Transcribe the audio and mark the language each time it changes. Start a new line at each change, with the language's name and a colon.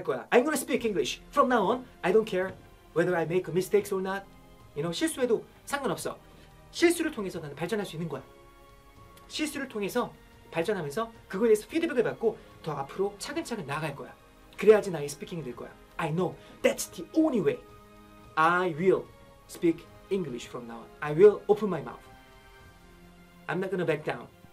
English: I'm going to speak English. From now on, I don't care whether I make mistakes or not. You know,
Korean: 실수해도 상관없어. 실수를 통해서 나는 발전할 수 있는 거야. 실수를 통해서 발전하면서 그거에 대해서 피드백을 받고 더 앞으로 차근차근 나아갈 거야. 그래야지 나의 스피킹이 될 거야.
English: I know. That's the only way. I will speak English from now on. I will open my mouth. I'm not going to back down.